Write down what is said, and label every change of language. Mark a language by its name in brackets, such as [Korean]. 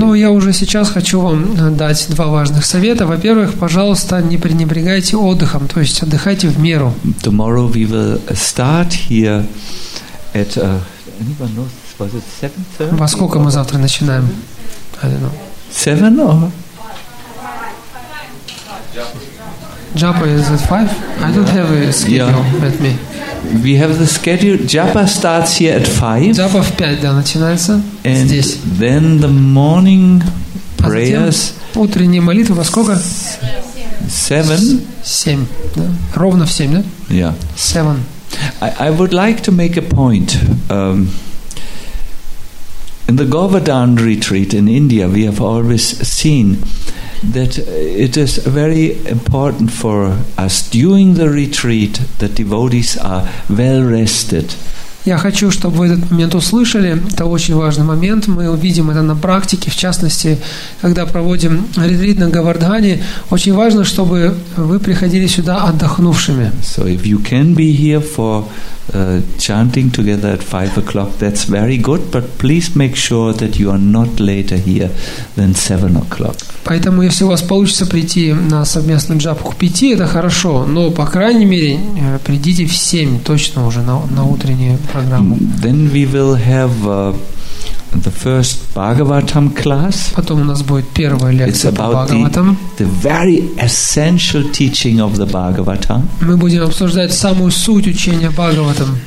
[Russian] Ну, я уже сейчас хочу вам дать два важных совета. Во-первых, пожалуйста, не пренебрегайте отдыхом, то есть отдыхайте в меру. [English] Tomorrow we will start here at, anyone knows, was it 7:30? [Russian] Во сколько мы завтра начинаем? [English] I don't know. 7 or... Japa, is it 5? I don't have a schedule with me. We have the schedule. Japa starts here at 5. [Russian] Japa в 5, да, начинается. [English] And [Russian] здесь. [English] Then the morning prayers. [Russian] Утренняя молитва во сколько? [English] 7. [Russian] 7. Да? Ровно в 7, да? [English] Yeah. 7. I would like to make a point. In the Govardhan retreat in India, we have always seen that it is very important for us during the retreat that devotees are well rested. [Russian] Я хочу, чтобы вы этот момент услышали. Это очень важный момент. Мы увидим это на практике, в частности, когда проводим ретрит на Говардхане. Очень важно, чтобы вы приходили сюда отдохнувшими. [English] So if you can be here for chanting together at 5 o'clock, that's very good. But please make sure that you are not later here than 7 o'clock. [Russian] Поэтому, если у вас получится прийти на совместный джапу к 5, это хорошо. Но по крайней мере придите в 7 точно уже на утреннюю. [English] Then we will have the first Bhagavatam class. [Russian] Потом у нас будет первая лекция по Бхагаватам. [English] It's about the very essential teaching of the Bhagavatam. [Russian] Мы будем обсуждать самую суть учения Бхагаватам.